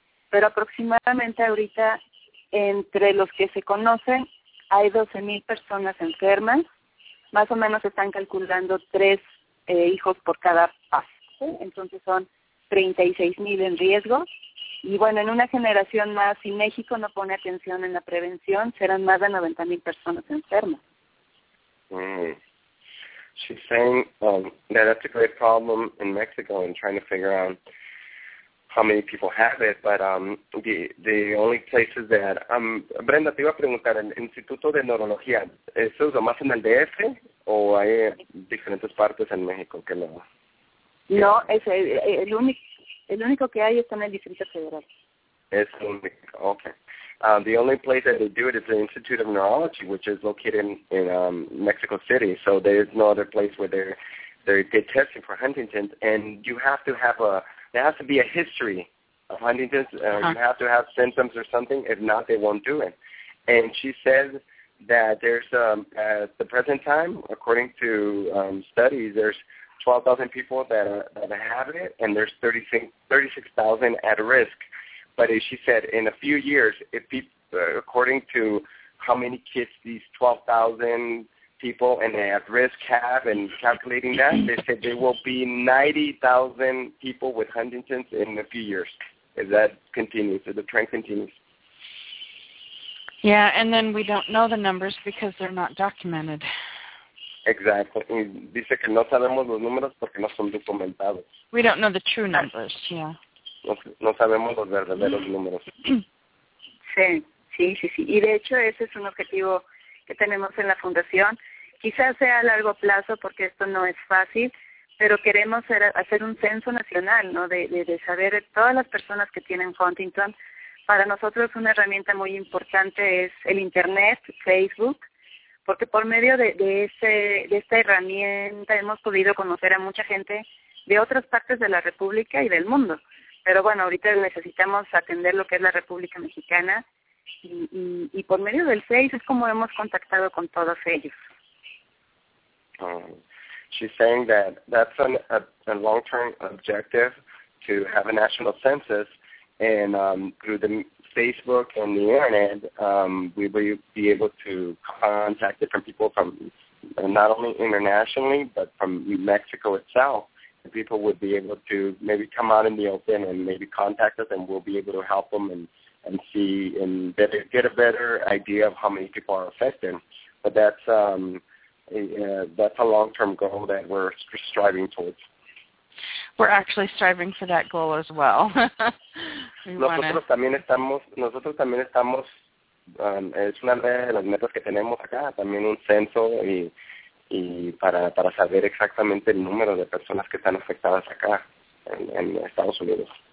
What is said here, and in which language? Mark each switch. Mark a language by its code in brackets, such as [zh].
[es] Pero aproximadamente ahorita, entre los que se conocen, hay 12.000 personas enfermas. Más o menos están calculando 3 hijos por cada paciente. Entonces son 36.000 en riesgo. Y bueno, en una generación más, si México no pone atención en la prevención, serán más de 90.000 personas enfermas. [en] She's saying that that's a great problem in Mexico and trying to figure out how many people have it, but the only places that... [es] Brenda, te iba a preguntar, ¿el Instituto de Neurología, eso es lo más en el DF o hay diferentes partes en México que lo... No, el único que hay está en el Distrito Federal. Es el único, okay. [en] The only place that they do it is the Institute of Neurology, which is located in Mexico City. So there is no other place where they did testing for Huntington's. And you have to have there has to be a history of Huntington's. You have to have symptoms or something. If not, they won't do it. And she says that there's, at the present time, according to studies, there's 12,000 people that have it, and there's 36,000 at risk. But as she said, in a few years, according to how many kids these 12,000 people and at risk have and calculating that, they said there will be 90,000 people with Huntington's in a few years. If the trend continues. Yeah, and then we don't know the numbers because they're not documented. Exactly. [es] Y dice que no sabemos los números porque no son documentados. [en] We don't know the true numbers, yeah. [es] No sabemos los verdaderos números. Sí. Y de hecho ese es un objetivo que tenemos en la fundación. Quizás sea a largo plazo porque esto no es fácil, pero queremos hacer un censo nacional, ¿no? De saber todas las personas que tienen Huntington. Para nosotros una herramienta muy importante es el internet, Facebook, porque por medio de esta herramienta hemos podido conocer a mucha gente de otras partes de la República y del mundo. Pero bueno, ahorita necesitamos atender lo que es la República Mexicana y por medio del Face es como hemos contactado con todos ellos. [en] She's saying that's a long-term objective to have a national census, and through the Facebook and the internet, we will be able to contact different people from not only internationally but from Mexico itself. People would be able to maybe come out in the open and maybe contact us, and we'll be able to help them and see and better, get a better idea of how many people are affected. But that's a long-term goal that we're striving towards. We're actually striving for that goal as well. [es] Nosotros también estamos, es una de las metas que tenemos acá, también un censo y para saber exactamente el número de personas que están afectadas acá en Estados Unidos.